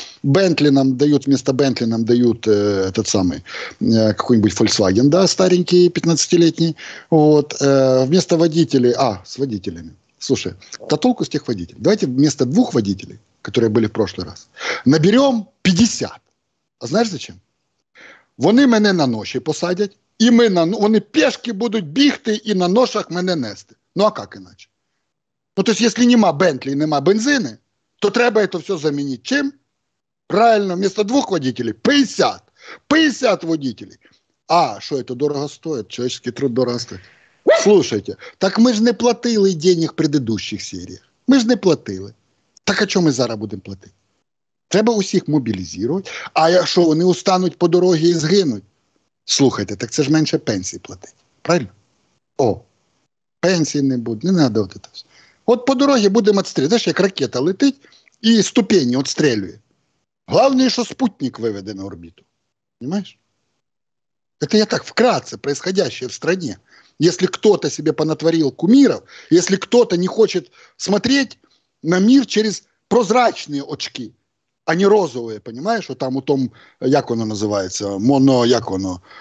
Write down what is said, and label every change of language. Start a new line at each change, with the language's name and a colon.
Russian: Бентли нам дают, вместо Бентли нам дают этот самый, какой-нибудь Volkswagen, да, старенький, 15-летний. Вот. Вместо водителей... А, с водителями. Слушай, да толку с тех водителей? Давайте вместо 2 водителей, которые были в прошлый раз, наберем 50. А знаешь зачем?
Ukrainian: Вони мене на ноші посадять, і ми на, вони пешки будуть бігти і на ношах мене нести. Ну а як іначе? Ну то есть, якщо нема Бентлі, нема бензини, то треба це все замінити. Чим?
Russian: Правильно, вместо 2 водителей 50. 50 водителей.
Ukrainian: А, що це дорого стоїть? Чоловічий труд дорого стоїть.
Russian: Слушайте, так ми ж не платили денег в предыдущих серіях.
Ukrainian: Ми ж не платили. Так а що ми зараз будемо платити? Треба усіх мобілізувати. А якщо вони устануть по дорозі і згинуть? Слухайте, так це ж менше пенсії платить. Правильно? О, пенсії не буде, не треба от це все. От по дорозі будемо відстрілювати. Знаєш, як ракета летить і ступені відстрілює. Головне, що спутник виведе на орбіту. Понимаєш? Це я так вкратце,
Russian: происходящее в стране.
Ukrainian: Якщо хтось себе понатворив кумиров, якщо хтось не хоче
Russian: смотреть на мир через прозрачные очки, а не розовые, понимаешь, вот там у том, как оно называется, монофон.